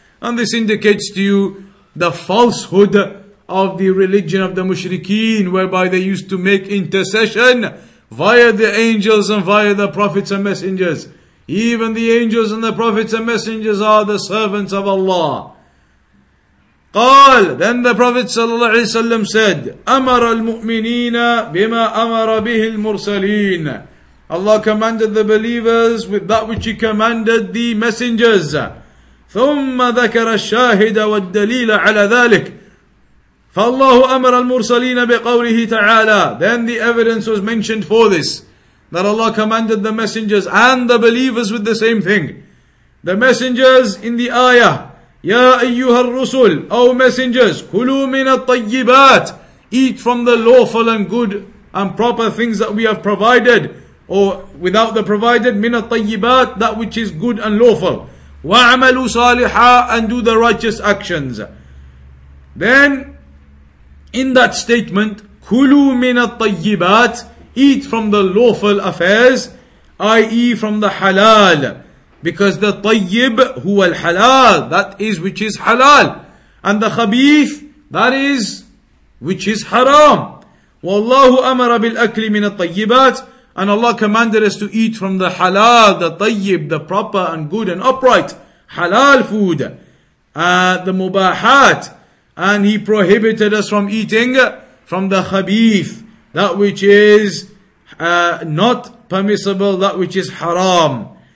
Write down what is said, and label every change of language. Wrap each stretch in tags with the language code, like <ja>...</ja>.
<en>And this indicates to you the falsehood of the religion of the mushrikeen, whereby they used to make intercession via the angels and via the prophets and messengers. Even the angels and the prophets and messengers are the servants of Allah.</en> <ar>قال.</ar> <en>Then the Prophet صلى الله عليه وسلم said,</en> <ar>أمر المؤمنين بما أمر به المرسلين.</ar> <en>Allah commanded the believers with that which He commanded the messengers.</en> <ar>ثم ذكر الشاهد والدليل على ذلك. فالله أمر المرسلين بقوله تعالى.</ar> <en>Then the evidence was mentioned for this, that Allah commanded the messengers and the believers with the same thing. The messengers in the ayah,</en> <ar>يَا أَيُّهَا الرُّسُلُ.</ar> <en>O messengers,</en> <ar>كُلُوا مِنَ الطَّيِّبَاتِ.</ar> <en>Eat from the lawful and good and proper things that we have provided, or without the provided,</en> <ar>مِنَ الطَّيِّبَاتِ,</ar> <en>that which is good and lawful.</en> <ar>وَعَمَلُوا صَالِحًا,</ar> <en>and do the righteous actions. Then, in that statement,</en> <ar>كُلُوا مِنَ الطَّيِّبَاتِ,</ar> <en>eat from the lawful affairs, i.e. from the halal. Because the</en> <ar>طيب هو الحلال,</ar> <en>that is which is halal. And the خبيث, that is which is haram.</en> <ar>والله أمر بالأكل من الطيبات.</ar> <en>And Allah commanded us to eat from the halal, the طيب, the proper and good and upright. Halal food. The مباحات. And He prohibited us from eating from the خبيث, that which is not permissible, that which is haram.</en>